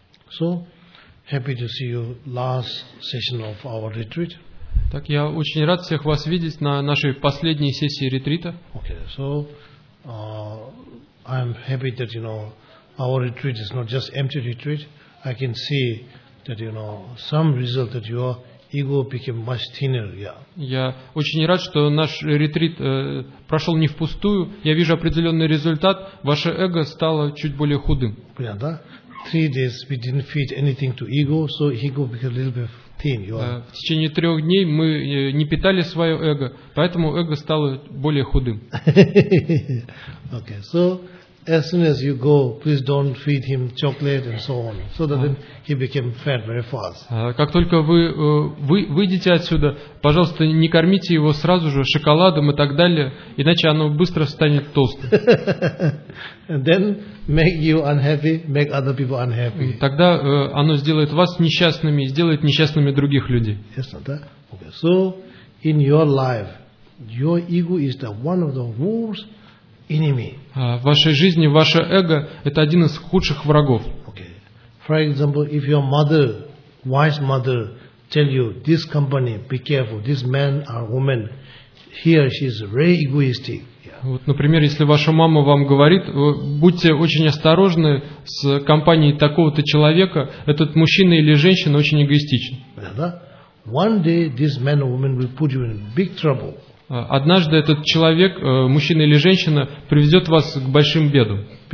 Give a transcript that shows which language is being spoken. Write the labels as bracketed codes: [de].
[en] So, happy to see you last session of our retreat. [ru] Так, я очень рад всех вас видеть на нашей последней сессии ретрита. [en] Okay, so, I'm happy that, you know, our retreat is not just empty retreat. I can see that, you know, some result that your ego became much thinner. Yeah. [ru] Я очень рад, что наш ретрит прошел не впустую. Я вижу определенный результат. Ваше эго стало чуть более худым. [en] Yeah, [ru] да? [en] 3 days we didn't feed anything to ego, so ego became a little bit thin. [ru] В течение 3 дней мы не питали свое эго, поэтому эго стало более худым. [en] Okay, so as soon as you go, please don't feed him chocolate and so on, so that then he became fat very fast. [ru] Как только вы выйдете отсюда, пожалуйста, не кормите его сразу же шоколадом и так далее, иначе оно быстро станет толстым. [en] And then make you unhappy, make other people unhappy. [ru] Тогда оно сделает вас несчастными, сделает несчастными других людей. [en] Yes, not that. Okay. So in your life, your ego is the one of the worst. [ru] В вашей жизни ваше эго – это один из худших врагов. [en] For example, if your mother, wise mother, tell you this company, be careful, this man or woman, here she is very egoistic. [ru] Вот, например, если ваша мама вам говорит, будьте очень осторожны с компанией такого-то человека, этот мужчина или женщина очень эгоистичен. [en] One day this man or woman will put you in big trouble. [ru] Однажды этот человек, мужчина или женщина, приведет вас к большим бедам.